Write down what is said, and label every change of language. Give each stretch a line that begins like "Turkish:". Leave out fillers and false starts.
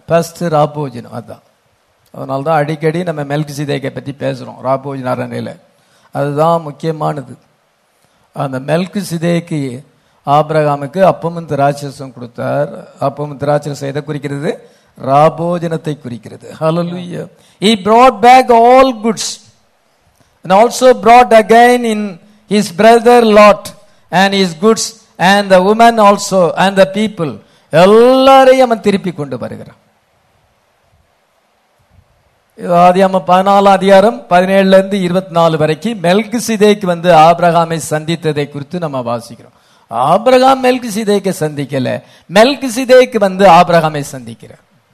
Tamil: First ராபோஜினம் அதுதான், அதனால்தான் அடிக்கடி நம்ம மெல்கிசிதேக்கை பத்தி பேசுறோம், ராபோஜின அரண்யில அதுதான் முக்கியமானது. அந்த மெல்கிசிதேக்கு ஆபிரகாமுக்கு அப்பமும் திராட்சரசம் கொடுத்தார். அப்பமும் திராட்சரசம் எதை குறிக்கிறது? ராபோஜனத்தை குறிக்கிறது. ஹல்லேலூயா.
English: He brought back all goods and also brought again in his brother Lot and his goods and the woman also and the people.
Tamil: எல்லாரையும் அவன் திருப்பி கொண்டு வருகிறான். ஆதியாகம 14:17-24 மெல்கிசிதேக்கு வந்து ஆபிரகாமை சந்தித்ததை குறித்து நம்ம வாசிக்கிறோம். ஆபிரகாம் மெல்கிசிதேக்கை சந்திக்கல, மெல்கிசிதேக்கு வந்து ஆபிரகாமை சந்திக்கிறார்.